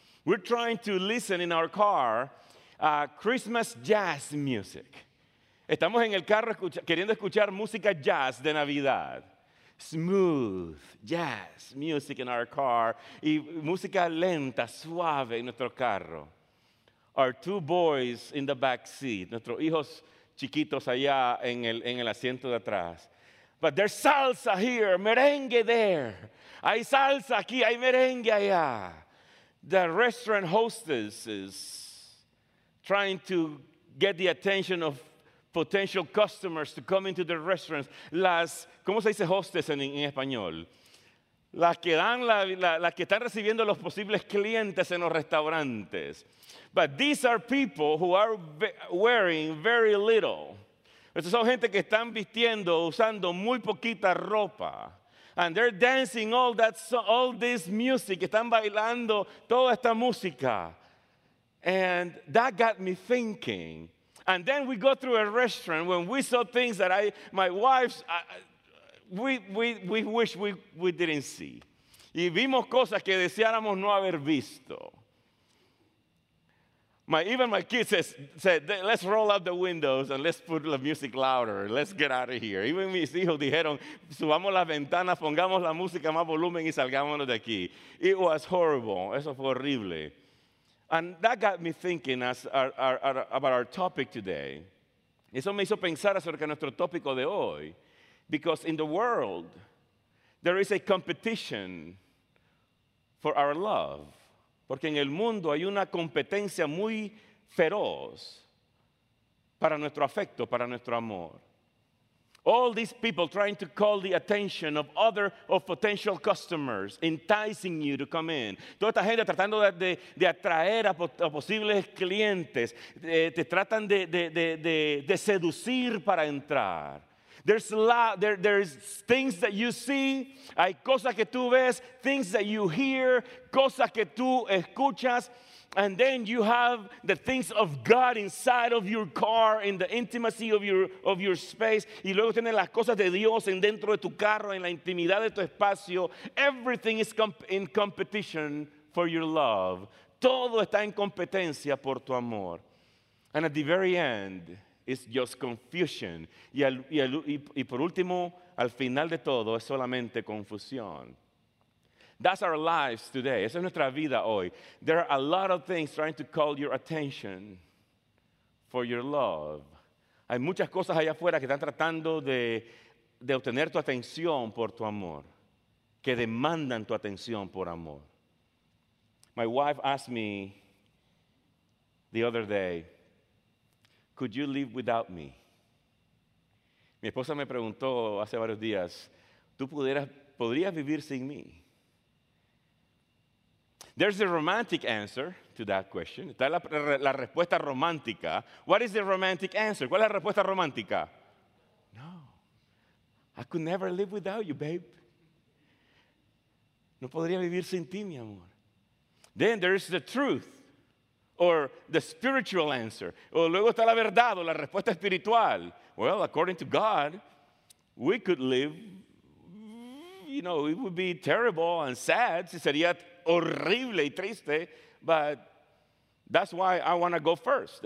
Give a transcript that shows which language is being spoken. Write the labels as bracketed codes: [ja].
[en] We're trying to listen in our car Christmas jazz music. [es] Estamos en el carro queriendo escuchar música jazz de Navidad. [en] Smooth jazz music in our car. [es] Y música lenta, suave en nuestro carro. [en] Our two boys in the back seat. [es] Nuestros hijos chiquitos allá en el asiento de atrás. [en] But there's salsa here, merengue there. [es] Hay salsa aquí, hay merengue allá. [en] The restaurant hostess is trying to get the attention of potential customers to come into the restaurants. [es] Las, ¿cómo se dice hostess en español? Las que están recibiendo los posibles clientes en los restaurantes. [en] But these are people who are wearing very little. [es] Estos son gente que están vistiendo, usando muy poquita ropa. [en] And they're dancing all this music. [es] Están bailando toda esta música. [en] And that got me thinking. And then we go through a restaurant when we saw things that my wife, we wish we didn't see. [es] Y vimos cosas que deseáramos no haber visto. [en] Even my kids said, let's roll out the windows and let's put the music louder. Let's get out of here. [es] Even mis hijos dijeron, subamos las ventanas, pongamos la música más volumen y salgámonos de aquí. [en] It was horrible. [es] Eso fue horrible. [en] And that got me thinking about our topic today. [es] Eso me hizo pensar acerca de nuestro tópico de hoy. [en] Because in the world, there is a competition for our love. [es] Porque en el mundo hay una competencia muy feroz para nuestro afecto, para nuestro amor. [en] All these people trying to call the attention of other of potential customers, enticing you to come in. [es] Toda esta gente tratando de atraer a posibles clientes, te tratan de seducir para entrar. [en] There's things that you see, [es] hay cosas que tú ves, [en] things that you hear, [es] cosas que tú escuchas, [en] and then you have the things of God inside of your car, in the intimacy of your space, [es] y luego tienes las cosas de Dios en dentro de tu carro, en la intimidad de tu espacio. [en] Everything is in competition for your love. [es] Todo está en competencia por tu amor. [en] And at the very end, it's just confusion. [es] Y por último, al final de todo, es solamente confusión. [en] That's our lives today. [es] Esa es nuestra vida hoy. [en] There are a lot of things trying to call your attention for your love. [es] Hay muchas cosas allá afuera que están tratando de obtener tu atención por tu amor, que demandan tu atención por amor. [en] My wife asked me the other day, could you live without me? [es] Mi esposa me preguntó hace varios días, ¿tú podrías vivir sin mí? [en] There's a romantic answer to that question. [es] Está la respuesta romántica. [en] What is the romantic answer? [es] ¿Cuál es la respuesta romántica? No. [en] I could never live without you, babe. [es] No podría vivir sin ti, mi amor. [en] Then there's the truth. Or the spiritual answer. [es] O luego está la verdad o la respuesta espiritual. [en] Well, according to God, we could live, you know, it would be terrible and sad. [es] Sería horrible y triste. [en] But that's why I want to go first.